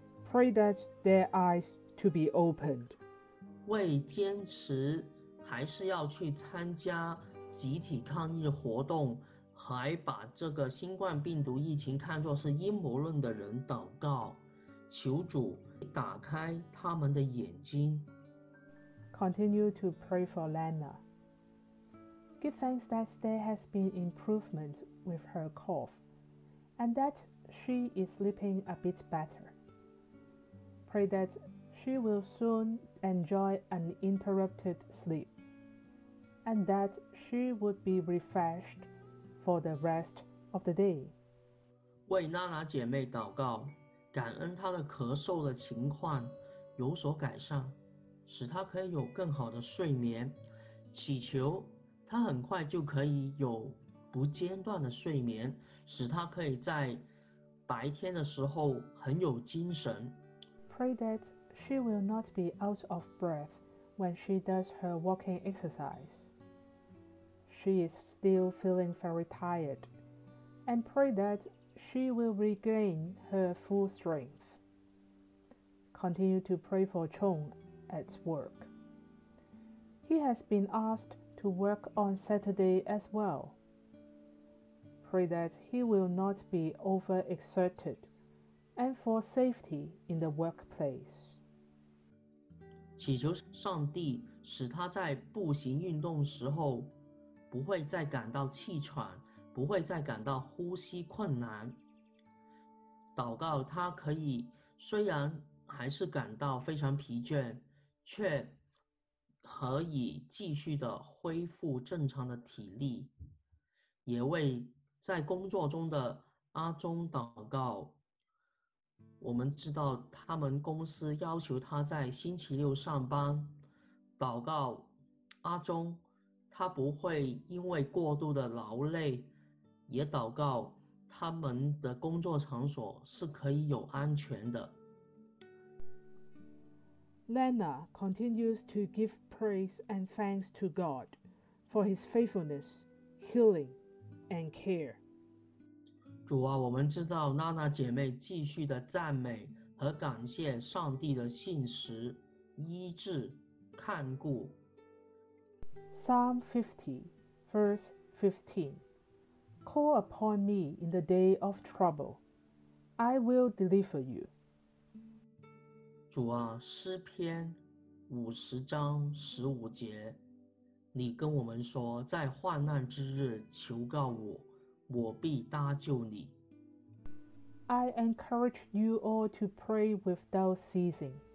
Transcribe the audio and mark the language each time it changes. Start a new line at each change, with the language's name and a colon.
English: Pray that their eyes to be opened.
Chinese: 为坚持还是要去参加集体抗议活动，还把这个新冠病毒疫情看作是阴谋论的人祷告，求主打开他们的眼睛。
English: Continue to pray for Lana. Give thanks that there has been improvement with her cough, and that she is sleeping a bit better. Pray that she will soon enjoy uninterrupted sleep, and that she would be refreshed for the rest of the day.
Chinese: 为Lana姐妹祷告，感恩他的咳嗽的情况有所改善，使他可以有更好的睡眠，祈求他很快就可以有不间断的睡眠，使他可以在白天的时候很有精神。
English: Pray that she will not be out of breath when she does her walking exercise. She is still feeling very tired, and pray thatShe will regain her full strength. Continue to pray for Chong at work. He has been asked to work on Saturday as well. Pray that he will not be overexerted and for safety in the workplace.
Chinese: 祈求上帝使他在步行运动时候不会再感到气喘，不会再感到呼吸困难。祷告他可以虽然还是感到非常疲倦，却可以继续的恢复正常的体力。也为在工作中的阿中祷告，我们知道他们公司要求他在星期六上班，祷告阿中他不会因为过度的劳累，也祷告他们的工作场所是可以有安全的。
English: Lana continues to give praise and thanks to God for his faithfulness, healing, and care.
Chinese: 主啊，我们知道 Lana 姐妹继续的赞美和感谢上帝的信实、医治、看顾。
English: Psalm 50, verse 15. Call upon me in the day of trouble. I will deliver you.
Chinese: 主啊，诗篇五十章十五节，你跟我们说，在患难之日求告我，我必搭救你。
English: I encourage you all to pray without ceasing.